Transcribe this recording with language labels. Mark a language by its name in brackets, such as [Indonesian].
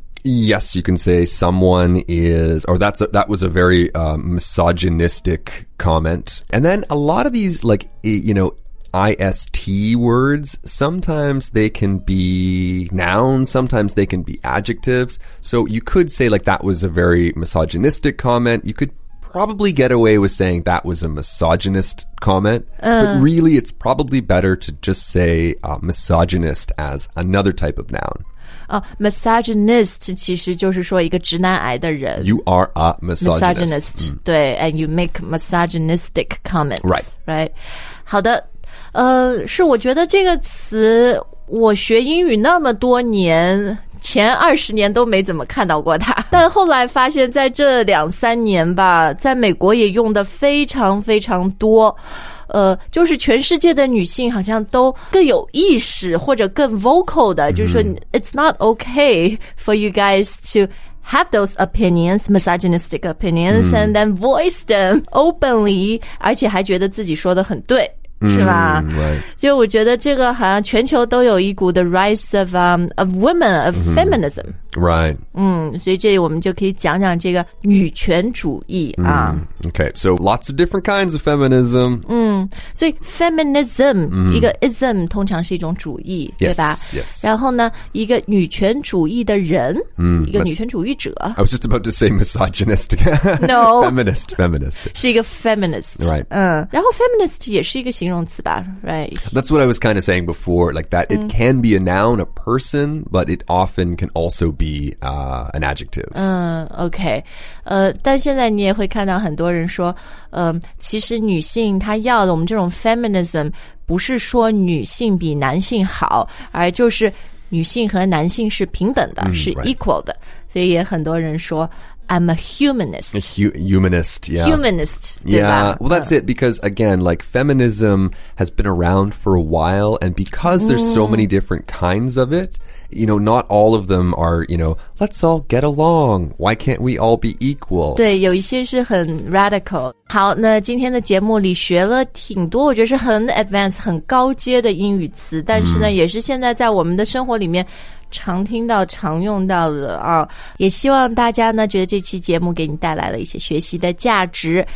[English] Yes, you can say someone is, or that was a very misogynistic comment. And then a lot of these, like, you know, IST words, sometimes they can be nouns, sometimes they can be adjectives. So you could say, like, that was a very misogynistic comment. You could probably get away with saying that was a misogynist comment, but really it's probably better to just say misogynist as another type of noun. [Chinese] Misogynist 其实就是说一个直男癌的人。 [English] You are a misogynist. Misogynist,、mm. 对 and you make misogynistic comments. Right. Right. [Chinese] 好的，是我觉得这个词我学英语那么多年前二十年都没怎么看到过它，但后来发现在这两三年吧，在美国也用的非常非常多，就是全世界的女性好像都更有意识或者更 vocal 的，就是说 [English] It's not okay for you guys to have those opinions, misogynistic opinions, and then voice them openly, [Chinese] 而且还觉得自己说的很对。是吧？就我觉得这个好像全球都有一股的 [English] rise of women of feminism. Right. [Chinese] 所以这里我们就可以讲讲这个女权主义啊。 [English] Okay, so lots of different kinds of feminism. [Chinese] 所以 feminism 一个 ism 通常是一种主义，对吧 [English] ？Yes. [Chinese] 然后呢，一个女权主义的人，一个女权主义者。 [English] I was just about to say misogynist. No. Feminist. [Chinese] 是一个 feminist. [English] Right. [Chinese] 然后 feminist 也是一个形容词吧 ，right? [English] That's what I was kind of saying before, like that. It can be a noun, a person, but it often can also be an adjective. Okay. [Chinese] 但现在你也会看到很多人说，其实女性她要的我们这种 feminism 不是说女性比男性好，而就是女性和男性是平等的，是 equal 的。所以也很多人说。 [English] I'm a humanist. It's humanist, yeah. Humanist, yeah. Well, that's it, because again, like feminism has been around for a while, and because there's so many different kinds of it, you know, not all of them are, you know, let's all get along. Why can't we all be equal? [Chinese] 对，有一些是很 radical. 好，那今天的节目里学了挺多，我觉得是很 advanced, 很高阶的英语词，但是呢，也是现在在我们的生活里面常听到常用到的啊，也希望大家呢觉得这期节目给你带来了一些学习的价值。